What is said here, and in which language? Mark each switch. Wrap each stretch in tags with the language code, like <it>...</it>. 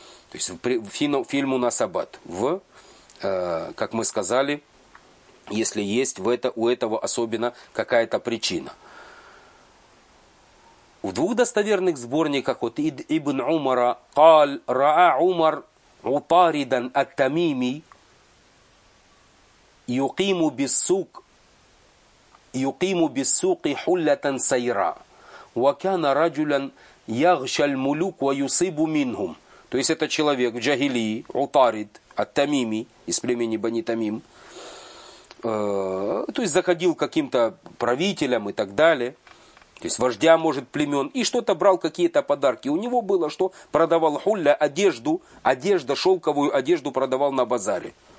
<ru>То есть в фильму «Насабад». Как мы сказали, если есть у этого особенно какая-то причина. В двух достоверных сборниках, вот Ибн Умара,</ru> <ar>«Каль раа Умар утаридан ат-тамими юкиму биссук». يقيم بالسوق حلة سيراء وكان رجلا يغشى الملوك ويصيب منهم.</ar> <ru>То есть этот человек в джахилии, Утарид ат-Тамими, из племени Бани Тамим, то есть заходил к каким-то правителям и так далее, то есть вождя, может, племен, и что-то брал, какие-то подарки. У него было что? Продавал хулля, одежду, шелковую одежду продавал на базаре.</ru>